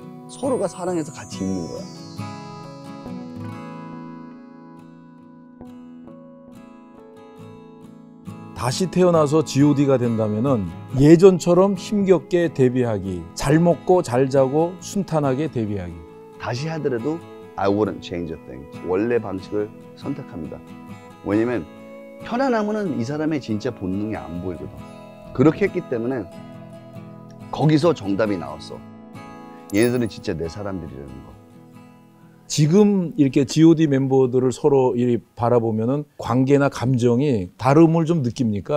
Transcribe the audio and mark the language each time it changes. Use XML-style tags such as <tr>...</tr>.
<ko>서로가 사랑해서 같이 있는 거야. 다시 태어나서 GOD가 된다면은 예전처럼 힘겹게 데뷔하기, 잘 먹고 잘 자고 순탄하게 데뷔하기. 다시 하더라도</ko> <en>I wouldn't change a thing.</en> <ko>원래 방식을 선택합니다. 왜냐면 편안함은 이 사람의 진짜 본능이 안 보이거든. 그렇게 했기 때문에 거기서 정답이 나왔어. 얘네들은 진짜 내 사람들이라는 거. 지금 이렇게 GOD 멤버들을 서로 바라보면은 관계나 감정이 다름을 좀 느낍니까?</ko>